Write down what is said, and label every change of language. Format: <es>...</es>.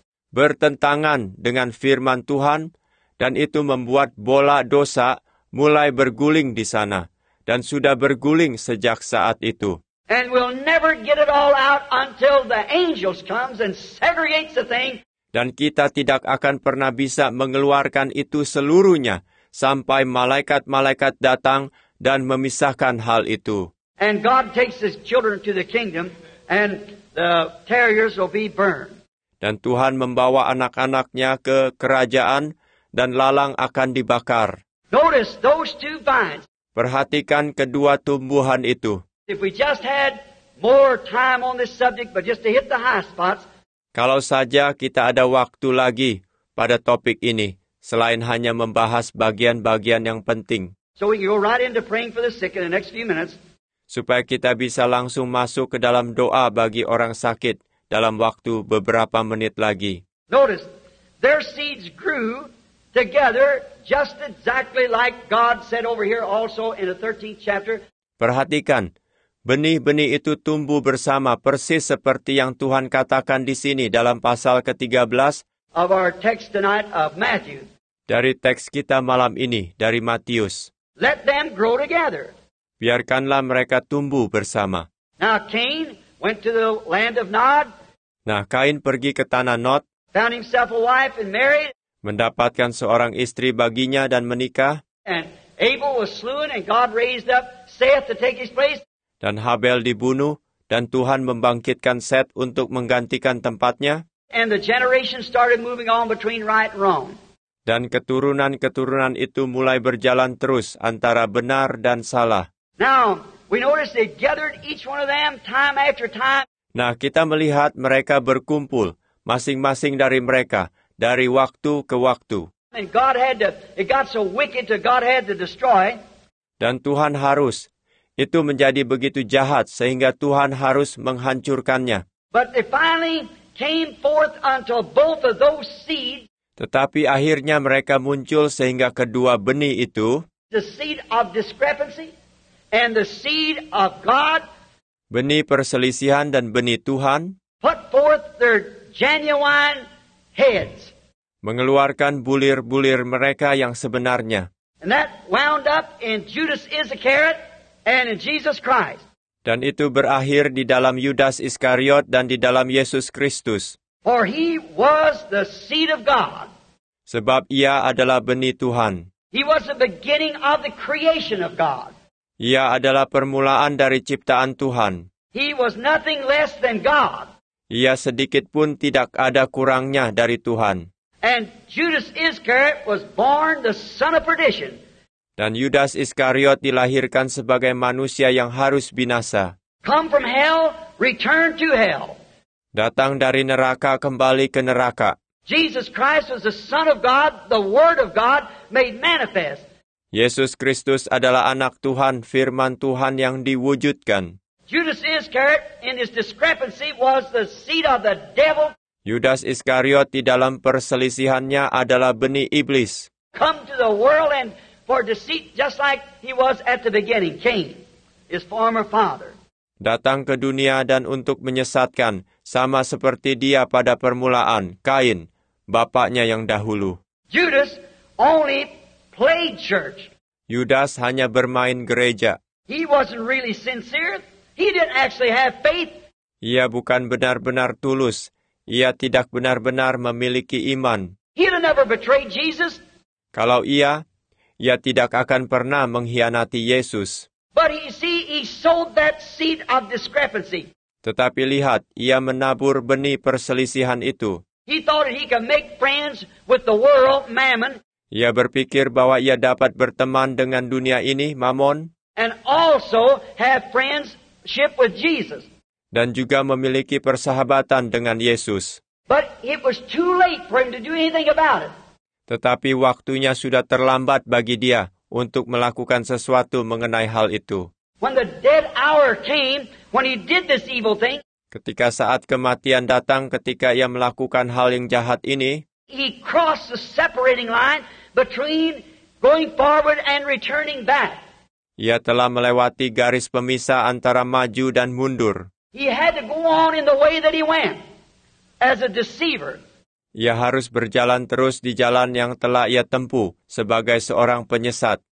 <id>Bertentangan dengan firman Tuhan, dan itu membuat bola dosa mulai berguling di sana, dan sudah berguling sejak saat itu.</id> <en>And we'll never get it all out until the angels comes and segregates the thing.</en> <id>Dan kita tidak akan pernah bisa mengeluarkan itu seluruhnya sampai malaikat-malaikat datang dan memisahkan hal itu.</id> <en>And God takes his children to the kingdom and the terriers will be burned.</en> <id>Dan Tuhan membawa anak-anak-Nya ke kerajaan dan lalang akan dibakar.</id> <en>Notice those two vines.</en> <id>Perhatikan kedua tumbuhan itu.</id> <en>If we just had more time on this subject, but just to hit the high spots.</en> <id>Kalau saja kita ada waktu lagi pada topik ini, selain hanya membahas bagian-bagian yang penting.</id> <en>So we can go right into praying for the sick in the next few minutes.</en> <id>Supaya kita bisa langsung masuk ke dalam doa bagi orang sakit dalam waktu beberapa menit lagi.</id> <en>Notice, their seeds grew together just exactly like God said over here also in the 13th chapter.</en> <id>Perhatikan, benih-benih itu tumbuh bersama persis seperti yang Tuhan katakan di sini dalam pasal ke-13</id> <en>of our text tonight of Matthew.</en> <id>Dari teks kita malam ini, dari Matius.</id> <en>Let them grow together.</en> <id>Biarkanlah mereka tumbuh bersama.</id> <en>Now Cain went to the land of Nod.</en> <id>Nah, Kain pergi ke tanah Nod.</id> <en>Found himself a wife and married.</en> <id>Mendapatkan seorang istri baginya dan menikah.</id> <en>And Abel was slain and God raised up Seth to take his place.</en> <id>Dan Habel dibunuh dan Tuhan membangkitkan Seth untuk menggantikan tempatnya.</id> <en>And the generation started moving on between right and wrong.</en> <id>Dan keturunan-keturunan itu mulai berjalan terus antara benar dan salah.</id> <en>Now, we notice they gathered each one of them time after time.</en> <id>Nah, kita melihat mereka berkumpul masing-masing dari mereka dari waktu ke waktu.</id> <en>And God had to, it got so wicked that God had to destroy.</en> <id>Dan Tuhan harus itu menjadi begitu jahat sehingga Tuhan harus menghancurkannya.</id> <en>But it finally came forth unto both of those seeds.</en> <id>Tetapi akhirnya mereka muncul sehingga kedua benih itu,</id> <en>the seed of discrepancy and the seed of God,</en> <id>benih perselisihan dan benih Tuhan,</id> <en>put forth their genuine heads,</en> <id>mengeluarkan bulir-bulir mereka yang sebenarnya.</id> <en>And that wound up in Judas Iscariot and in Jesus Christ.</en> <id>Dan itu berakhir di dalam Yudas Iskariot dan di dalam Yesus Kristus.</id> <en>For he was the seed of God.</en> <id>Sebab ia adalah benih Tuhan.</id> <en>He was the beginning of the creation of God.</en> <id>Ia adalah permulaan dari ciptaan Tuhan.</id> <en>He was nothing less than God.</en> <id>Ia sedikit pun tidak ada kurangnya dari Tuhan.</id> <en>And Judas Iscariot was born the son of perdition.</en> <id>Dan Yudas Iskariot dilahirkan sebagai manusia yang harus binasa.</id> <en>Come from hell, return to hell.</en> <id>Datang dari neraka kembali ke neraka.</id> <en>Jesus Christ was the Son of God, the Word of God made manifest.</en> <id>Yesus Kristus adalah Anak Tuhan, Firman Tuhan yang diwujudkan.</id> <en>Judas Iscariot in his discrepancy was the seed of the devil.</en> <id>Yudas Iskariot di dalam perselisihannya adalah benih iblis.</id> <en>Come to the world and for deceit, just like he was at the beginning, Cain, his former father.</en> <id>Datang ke dunia dan untuk menyesatkan, sama seperti dia pada permulaan, Kain, bapaknya yang dahulu.</id> <en>Judas only played church.</en> <id>Yudas hanya bermain gereja.</id> <en>He wasn't really sincere. He didn't actually have faith.</en> <id>Ia bukan benar-benar tulus. Ia tidak benar-benar memiliki iman.</id> <en>He'd have never betrayed Jesus.</en> <id>Kalau ia tidak akan pernah mengkhianati Yesus.</id> <en>But you see, he sowed that seed of discrepancy.</en> <id>Tetapi lihat, ia menabur benih perselisihan itu.</id> <en>He thought he could make friends with the world, Mammon.</en> <id>Ia berpikir bahwa ia dapat berteman dengan dunia ini, Mammon.</id> <en>And also have friendship with Jesus.</en> <id>Dan juga memiliki persahabatan dengan Yesus.</id> <en>But it was too late for him to do anything about it.</en> <id>Tetapi waktunya sudah terlambat bagi dia untuk melakukan sesuatu mengenai hal itu.</id> <en>When the dead hour came, when he did this evil thing,</en> <id>ketika saat kematian datang, ketika ia melakukan hal yang jahat ini,</id> <en>he crossed the separating line between going forward and returning back.</en> <id>Ia telah melewati garis pemisah antara maju dan mundur.</id> <en>He had to go on in the way that he went as a deceiver.</en> <id>Ia harus berjalan terus di jalan yang telah ia tempuh sebagai seorang penyesat.</id>